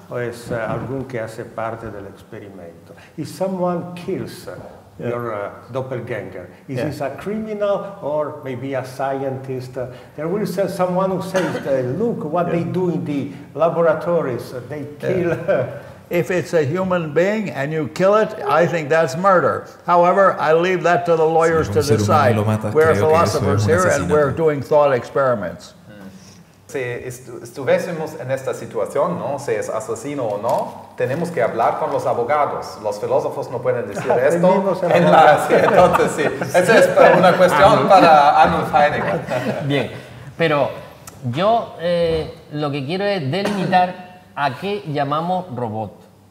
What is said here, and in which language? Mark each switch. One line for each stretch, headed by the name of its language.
Spanish: O es algún que hace parte del experimento.
English: If someone kills your doppelganger, is this a criminal or maybe a scientist? There will be someone who says, look what they do in the laboratories, they kill. If it's a human being and you kill it, I think that's murder. However, I leave that to the lawyers to decide. We're philosophers here and we're doing thought experiments.
Spanish: Si estuviésemos en esta situación, ¿no? Si es asesino o no, tenemos que hablar con los abogados. Los filósofos no pueden decir esto. Esa es una cuestión para Arnold Feininger. Bien, pero yo lo que quiero es delimitar a qué llamamos robot.